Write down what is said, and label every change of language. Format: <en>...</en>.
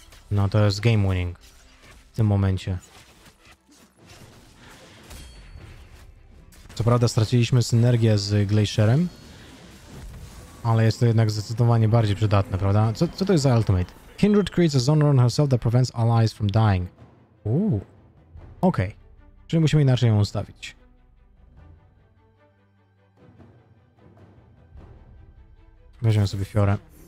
<pl>No to jest game winning. W tym momencie. Co prawda straciliśmy synergię z Glacierem. Ale jest to jednak zdecydowanie bardziej przydatne, prawda? Co to jest za ultimate?</pl> <en>Kindred creates a zone around herself that prevents allies from dying. Okej. Okay.</en> <pl>Czyli musimy inaczej ją ustawić. Weźmiemy sobie Fiorę.</pl>